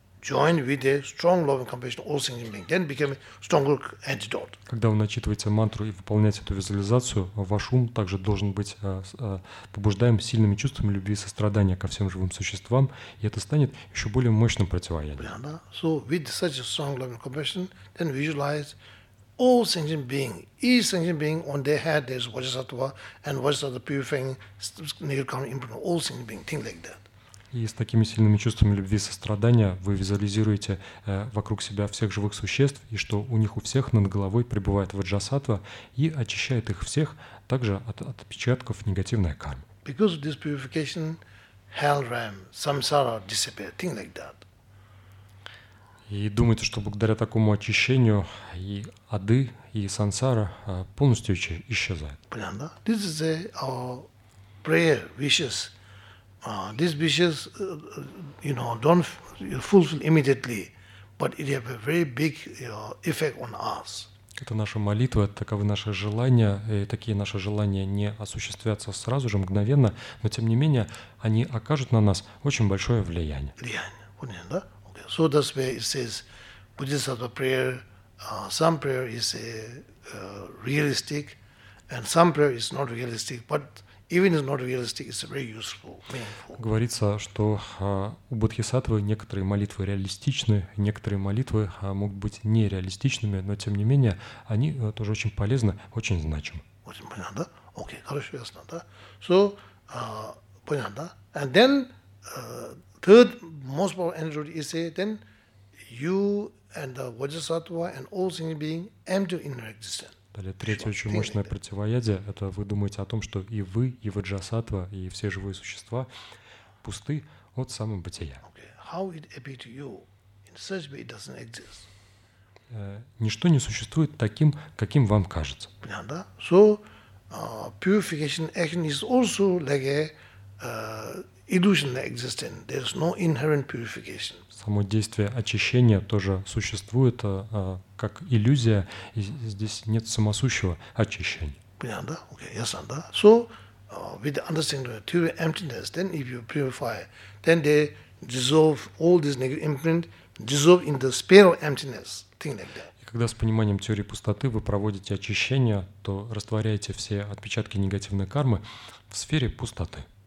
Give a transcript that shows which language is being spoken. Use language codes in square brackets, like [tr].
[ru] Когда вы начитываете мантру и выполняете эту визуализацию, ваш ум также должен быть побуждаем сильными чувствами любви и сострадания ко всем живым существам, и это станет еще более мощным противоядием. [en] So, with such a strong love and compassion, then visualize… All sentient being, each sentient being on their head, there's Vajrasattva, and Vajrasattva purifying negative karma imprint. All sentient being, think like that. [ru] И с такими сильными чувствами любви и сострадания вы визуализируете вокруг себя всех живых существ, и что у них у всех над головой пребывает Vajrasattva и очищает их всех также от отпечатков негативной кармы. [en] Because of this purification, hell realm, samsara disappear. Think like that. [ru] И думаете, что благодаря такому очищению и ады, и сансара полностью исчезают. [en] Понятно? This is our prayer wishes. These wishes, you know, don't fulfill immediately, but it have a very big effect on us. [ru] Это наша молитва, таковы наши желания, и такие наши желания не осуществятся сразу же, мгновенно, но тем не менее они окажут на нас очень большое влияние. Влияние, понятно, да? Okay. [en] So that's where it says Bodhisattva prayer, some prayer is realistic, and some prayer is not realistic, but even if not realistic, it's very useful, meaningful. [ru] Говорится, что у бодхисаттвы некоторые молитвы реалистичны, некоторые молитвы могут быть нереалистичными, но тем не менее они тоже очень полезны, очень значимы. Очень понятно, да? Окей, хорошо, ясно, да? So, понятно, да? [en] And then, third most powerful energy is then you and the bodhisattva and all sentient beings enter into existence. [ru] Третье очень мощное противоядие – это вы думаете о том, что и вы, и ваджасатва, и все живые существа пусты от самобытия. [en] How it appears to you in such way it doesn't exist? [ru] Ничто не существует таким, каким вам кажется. [en] Понятно, да? So purification action is also like a illusionary existence. There is no inherent purification. [ru] Само действие очищения тоже существует как иллюзия, и здесь нет самосущего очищения. Понятно, да? Окей, ясно, да? [en] So, with the understanding of the emptiness, then if you purify, then they dissolve all this negative imprint, dissolve in the sphere of emptiness, thing like that. [ru] Когда с пониманием теории пустоты вы проводите очищение, то растворяете все отпечатки негативной кармы в сфере пустоты.